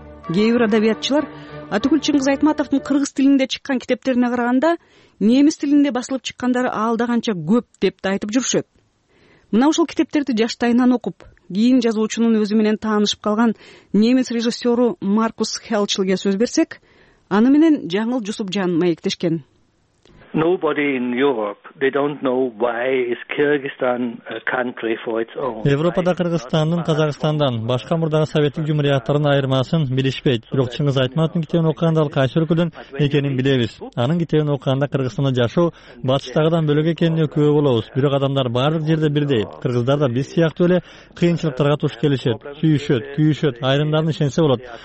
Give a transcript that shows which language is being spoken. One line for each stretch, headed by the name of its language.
Kyrgyz: Кээ бир адабиятчылар Атыгүл Чыңгыз Айтматовдун кыргыз тилинде чыккан китептерине караганда немис тилинде басылып чыккандары алдаганча көп деп да айтып жүрүшөт. Мына ушул китептерди жаштайынан окуп, кийин жазуучунун өзү менен таанышып калган немис режиссеру Маркус Хелчилге сөз берсек, аны менен Жаңыл Жусупжан маектешкен.
English: Nobody in Europe, they don't know why is Kyrgyzstan a country for its own.
Kyrgyz: Европада Кыргызстандын Казакстандан башка мурдагы советтик жумхуриятынын айырмасын билишпейт. Бирок Чыңгыз Айтматовдун китебин окуганда ал кайсы өлкөдөн экенин билебиз. Анын китебин окуганда Кыргызстанда жашоо батыштагыдан бөлөк экенин көрө болобуз. Бирок адамдар бардык жерде бирдей. Кыргыздар да биз сыяктуу эле кыйынчылыктарга туш келишет, сүйүшөт, күйүшөт, айрымдарына ишенсе болот.